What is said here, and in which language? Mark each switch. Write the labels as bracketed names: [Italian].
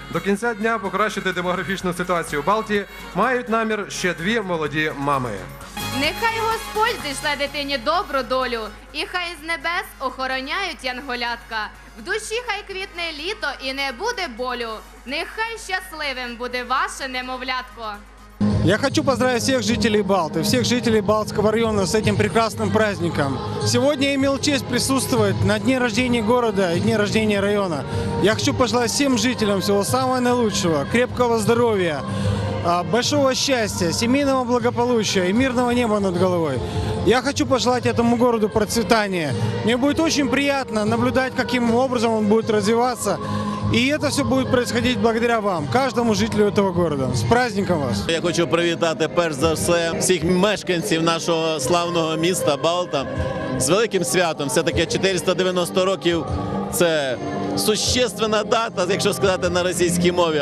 [Ukrainian] До кінця дня покращити демографічну ситуацію в Балті мають намір ще дві молоді мами. Нехай Господь зійшле дитині добру долю, і хай з небес охороняють янголятка. В душі хай квітне літо і не буде болю, нехай щасливим буде ваше немовлятко. [Russian] Я хочу поздравить всех жителей Балты, всех жителей Балтского района с этим прекрасным праздником. Сегодня я имел честь присутствовать на дне рождения города и дне рождения района. Я хочу пожелать всем жителям всего самого наилучшего, крепкого здоровья, большого счастья, семейного благополучия и мирного неба над головой. Я хочу пожелать этому городу процветания. Мне будет очень приятно наблюдать, каким образом он будет развиваться. [Ukrainian] І це все буде відбуватися благодаря вам, кожному жителю цього міста. З праздником вас! Я хочу привітати перш за все всіх мешканців нашого славного міста Балта з великим святом. Все-таки 490 років – це существенна дата, якщо сказати на російській мові.